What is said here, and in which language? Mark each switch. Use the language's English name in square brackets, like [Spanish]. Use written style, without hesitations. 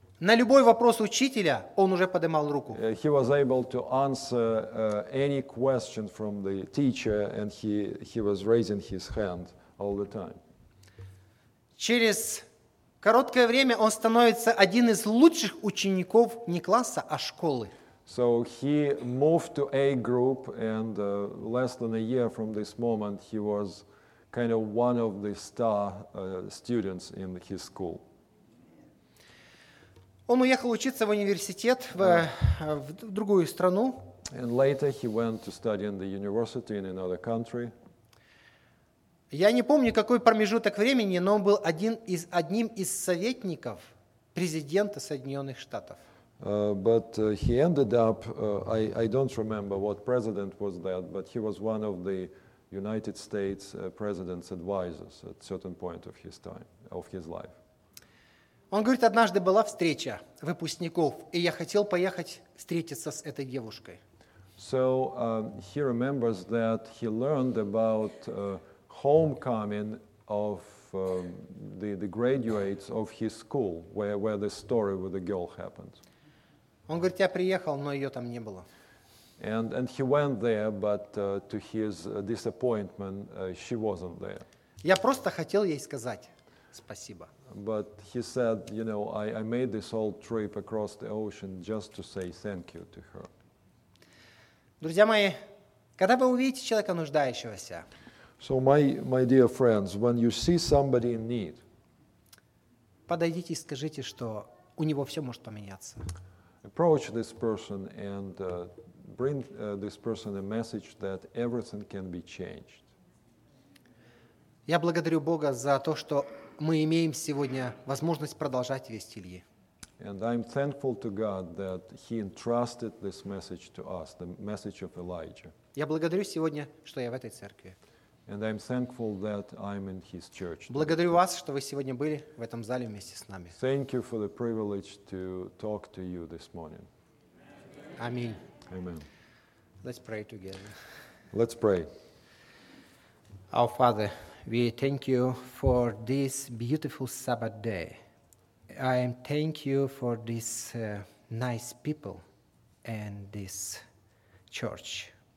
[Russian] На любой вопрос учителя он уже поднимал руку. [English] He was able to answer any question from the teacher, and he was raising his hand all the time. [Russian] Через короткое время он становится один из лучших учеников не класса, а школы. [English] So he moved to A group, and less than a year from this moment, he was kind of one of the star students in his school. [Russian] Он уехал учиться в университет в другую страну. [English] And later he went to study in the university in another country. [Russian] Я не помню, какой промежуток времени, но он был одним из советников президента Соединенных Штатов. [English] But he ended up, I don't remember what president was that, but he was one of the United States president's advisors at certain point of his time, of his life. [Russian] Он говорит, однажды была встреча выпускников, и я хотел поехать встретиться с этой девушкой. [English] So he remembers that he learned about homecoming of the graduates of his school, where the story with the girl happened. [Russian] Он говорит, я приехал, но ее там не было. [English] And he went there, but to his disappointment, she wasn't there. [Russian] Я просто хотел ей сказать спасибо. [English] But he said, you know, I made this whole trip across the ocean just to say thank you to her. [Russian] Друзья мои, когда вы увидите человека нуждающегося, [English] so my dear friends, when you see somebody in need, [Russian] подойдите и скажите, что у него все может поменяться. [English] Approach this person and bring this person a message that everything can be changed. [Russian] Я благодарю Бога за то, что мы имеем сегодня возможность продолжать весть Ильи. [English] And I'm thankful to God that He entrusted this message to us, the message of Elijah. [Russian] Я благодарю сегодня, что я в этой церкви. [English] And I'm thankful that I'm in His church. [Russian] Благодарю вас, что вы сегодня были в этом зале вместе с нами. [English] Thank you for the privilege to talk to you this morning. Amen. Amen. Let's pray together. Let's pray. Our Father, we thank you for this beautiful Sabbath day. I thank you for this nice people and this church.